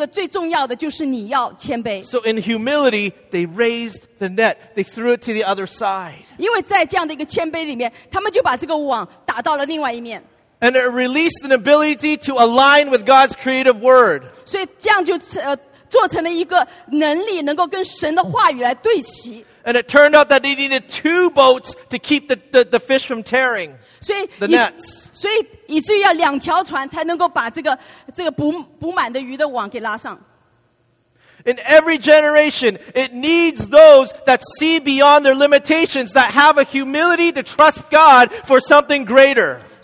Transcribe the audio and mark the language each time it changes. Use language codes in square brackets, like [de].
[zh] 但是国度里面那个经济的那个最重要的就是你要谦卑。 [en] So in humility, they raised the net. They threw it to the other side. [zh] 因为在这样的一个谦卑里面, 他们就把这个网打到了另外一面。 [en] And it released an ability to align with God's creative word. [zh] 所以这样就做成了一个能力能够跟神的话语来对齐。 [en] And it turned out that they needed two boats to keep the fish from tearing the nets. [zh] 所以以至于要两条船才能够把这个补满的鱼的网给拉上。 [en] In every generation, it needs those that see beyond their limitations, that have a humility to trust God for something greater.